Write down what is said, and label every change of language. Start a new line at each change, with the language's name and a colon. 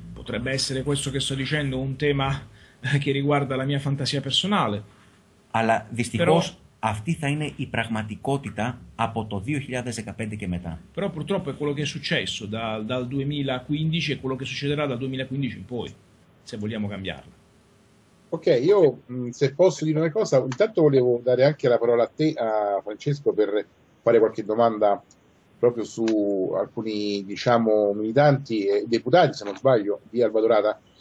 Italian: Potrebbe essere questo che sto dicendo un tema che riguarda la mia fantasia personale.
Greek: Αλλά δυστυχώς αυτή θα είναι η πραγματικότητα από το 2015 και μετά.
Italian: Però purtroppo è quello che è successo dal 2015 e quello che succederà dal 2015 in poi, se vogliamo cambiarla. Ok, io se posso dire una cosa, intanto volevo dare anche la parola a te, a Francesco, per fare qualche domanda proprio su alcuni, diciamo, militanti e deputati, se non sbaglio, di Alba Dorata.